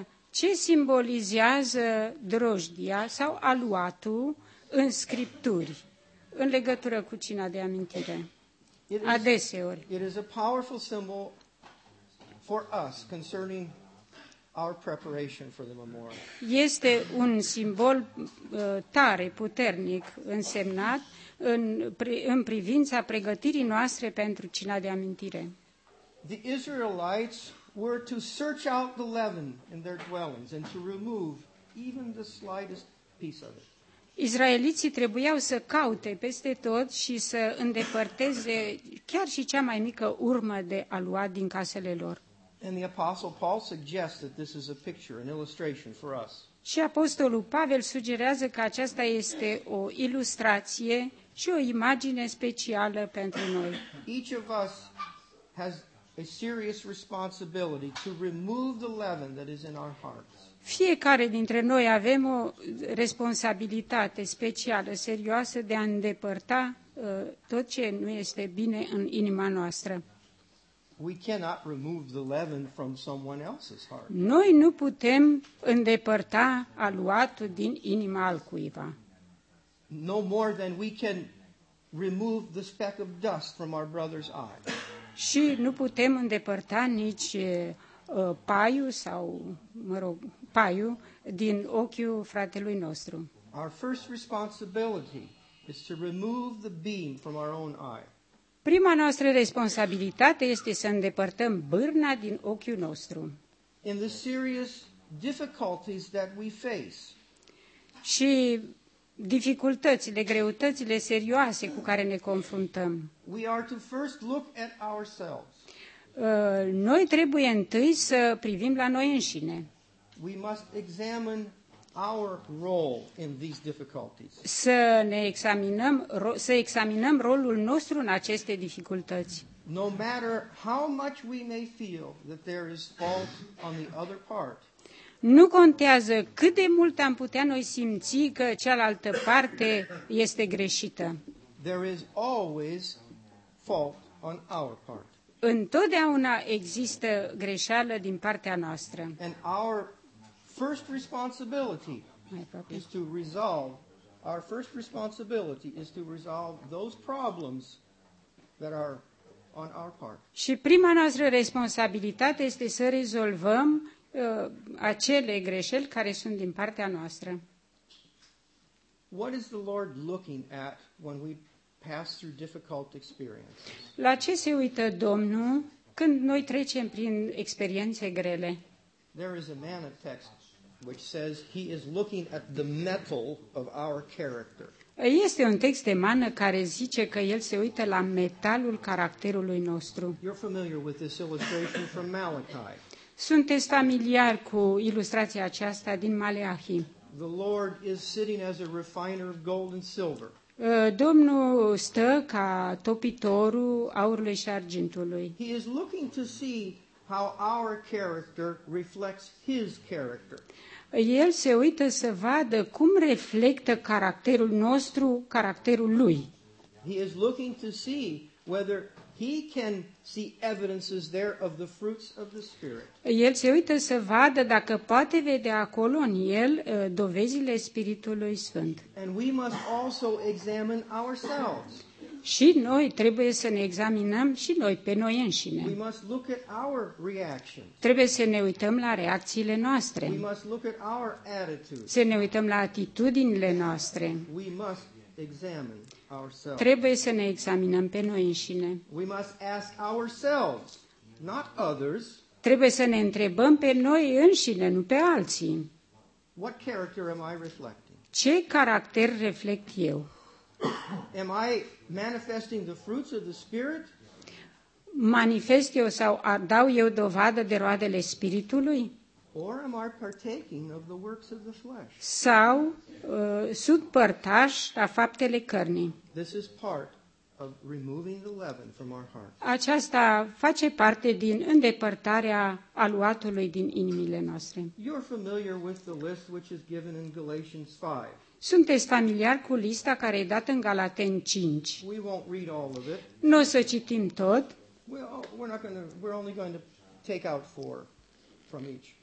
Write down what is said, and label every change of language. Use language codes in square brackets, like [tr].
[ro] Ce simbolizează drojdia sau aluatul în scripturi în legătură cu cina de amintire? Adeseori. [en] It is a powerful symbol for us concerning our preparation for the memorial. [ro] Este un simbol tare, puternic, însemnat în privința pregătirii noastre pentru cina de amintire. [en] The Israelites were to search out the leaven in their dwellings and to remove even the slightest piece of it. [ro] Israeliții trebuiau să caute peste tot și să îndepărteze chiar și cea mai mică urmă de aluat din casele lor. [en] And the Apostle Paul suggests that this is a picture, an illustration for us. [ro] Și Apostolul Pavel sugerează că aceasta este o ilustrație și o imagine specială pentru noi. [en] Each of us has a serious responsibility to remove the leaven that is in our hearts. [ro] Fiecare dintre noi avem o responsabilitate specială, serioasă de a îndepărta tot ce nu este bine în inima noastră. [en] We cannot remove the leaven from someone else's heart. [ro] Noi nu putem îndepărta aluatul din inima altcuiva. [en] No more than we can remove the speck of dust from our brother's eye. [ro] Și nu putem îndepărta nici paiul sau, mă rog, paiul din ochiul fratelui nostru. [en] Our first responsibility is to remove the beam from our own eye. [ro] Prima noastră responsabilitate este să îndepărtăm bârna din ochiul nostru. [en] In the serious difficulties that we face. [ro] Și dificultățile, greutățile serioase cu care ne confruntăm. [en] We are to first look at ourselves. [ro] Noi trebuie întâi să privim la noi înșine. [en] We must examine our role in these difficulties. [ro] Să examinăm rolul nostru în aceste dificultăți. [en] No matter how much we may feel that there is fault on the other part. [ro] Nu contează cât de mult am putea noi simți că cealaltă parte este greșită. [en] There is always fault on our part. [ro] Întotdeauna există greșeală din partea noastră. [en] And our first responsibility is to resolve Our first responsibility is to resolve those problems that are on our part. [ro] Și prima noastră responsabilitate este să rezolvăm acele greșeli care sunt din partea noastră. [en] What is the Lord looking at when we pass through difficult experiences? [ro] La ce se uită Domnul când noi trecem prin experiențe grele? [en] There is a man of text which says he is looking at the metal of our character. [ro] Este un text de mană care zice că el se uită la metalul caracterului nostru. [en] You're familiar with this illustration from Malachi. [ro] Sunteți familiar cu ilustrația aceasta din Maleahi. [en] The Lord is sitting as a refiner of gold and silver. [ro] Domnul stă ca topitorul aurului și argintului. [en] He is looking to see how our character reflects his character. [ro] El se uită să vadă cum reflectă caracterul nostru caracterul lui. [en] He is looking to see whether he can see evidences there of the fruits of the Spirit. [ro] El se uită să vadă dacă poate vedea acolo în el dovezile Spiritului Sfânt. [en] And we must also examine ourselves. [ro] Și noi trebuie să ne examinăm și noi pe noi înșine. [en] We must look at our reactions. [ro] Trebuie să ne uităm la reacțiile noastre. [en] We must look at our attitudes. [ro] Să ne uităm la atitudinile noastre. [en] We must examine ourselves. [ro] Trebuie să ne examinăm pe noi înșine. [en] We must ask ourselves, not others. [ro] Trebuie să ne întrebăm pe noi înșine, nu pe alții. [en] What character am I reflecting? [ro] Ce caracter reflect eu? [en] Am I manifesting the fruits of the Spirit? [ro] Manifest eu sau dau eu dovadă de roadele Spiritului? [en] Or am I partaking of the works of the flesh? [ro] Sau sunt părtaș la faptele cărnii? [en] This is part of removing the leaven from our hearts. [ro] Aceasta face parte din îndepărtarea aluatului din inimile noastre. [en] You're familiar with the list which is given in Galatians 5. [ro] Sunteți familiar cu lista care e dată în Galateni 5. [en] We won't read all of it. [ro] N-o să citim tot. [en] We're only going to take out four from each.